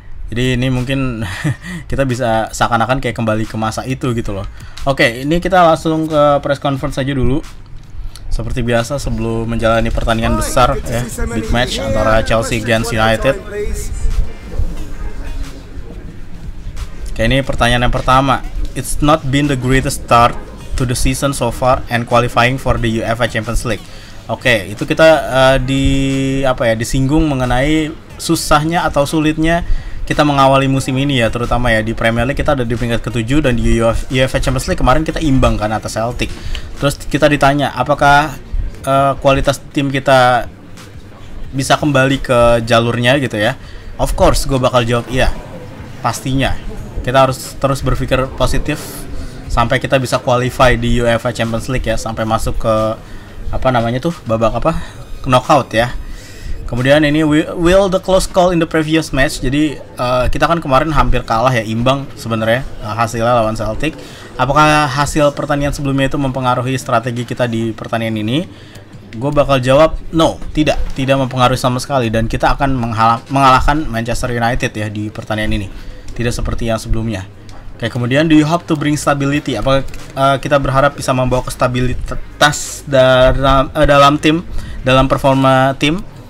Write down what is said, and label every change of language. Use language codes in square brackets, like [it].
[id] Jadi ini mungkin kita bisa seakan-akan kayak kembali ke masa itu gitu loh. Oke, ini kita langsung ke press conference aja dulu seperti biasa sebelum menjalani pertandingan besar ya, big match antara Chelsea against United. Kayak ini pertanyaan yang pertama. [en] It's not been the greatest start to the season so far and qualifying for the UEFA Champions League. [id] Oke, itu kita disinggung mengenai susahnya atau sulitnya kita mengawali musim ini ya, terutama ya di Premier League kita ada di peringkat ke-7 dan di UEFA Champions League kemarin kita imbang kan atas Celtic. Terus kita ditanya apakah kualitas tim kita bisa kembali ke jalurnya gitu ya. [en] Of course, [id] gue bakal jawab iya. Pastinya. Kita harus terus berpikir positif sampai kita bisa qualify di UEFA Champions League ya, sampai masuk ke apa namanya tuh babak apa knockout ya. Kemudian ini [en] will the close call in the previous match. [id] Jadi kita kan kemarin hampir kalah ya, imbang sebenarnya hasilnya lawan Celtic. Apakah hasil pertandingan sebelumnya itu mempengaruhi strategi kita di pertandingan ini? Gue bakal jawab no, tidak mempengaruhi sama sekali dan kita akan mengalahkan Manchester United ya di pertandingan ini. Tidak seperti yang sebelumnya. Oke, kemudian [en] do you hope to bring stability? [id] Apakah kita berharap bisa membawa kestabilitas dalam tim, dalam performa tim?